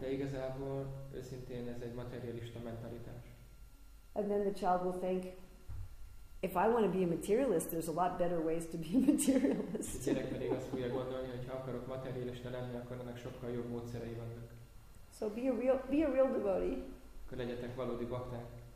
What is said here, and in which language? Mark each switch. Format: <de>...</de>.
<hu>De igazából őszintén ez egy materialista mentalitás.</hu> <en>And then the child will think, if I want to be a materialist, there's a lot better ways to be a materialist.</en> <hu>A gyerek pedig azt fogja gondolni, hogy ha akarok materialista lenni, akkor ennek sokkal jobb módszerei vannak.</hu> <en>So be a real devotee.</en> <hu>akkor legyetek valódi bakták.</hu>